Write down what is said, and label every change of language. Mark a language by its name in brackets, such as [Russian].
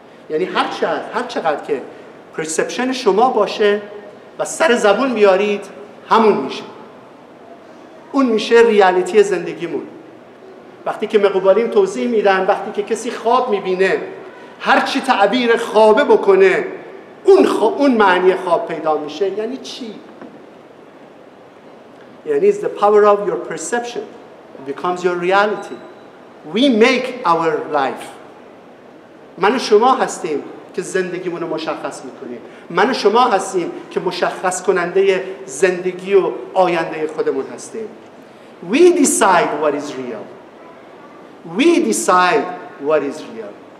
[Persian] یعنی هر چقدر که پرسپشن شما باشه و سر زبون بیارید، همون میشه، اون میشه ریالیتی زندگیمون. وقتی که مقبالیم توضیح میدن، وقتی که کسی خواب میبینه، هر چی تعبیر خوابه بکنه، اون معنی خواب پیدا میشه. یعنی چی؟ یعنی [English] is the power of your perception becomes your reality. We make our life. [Persian] من و شما هستیم که زندگیمونو مشخص میکنیم. من و شما هستیم که مشخص کننده زندگی و آینده خودمون هستیم. [English] We decide what is real. We decide what is real.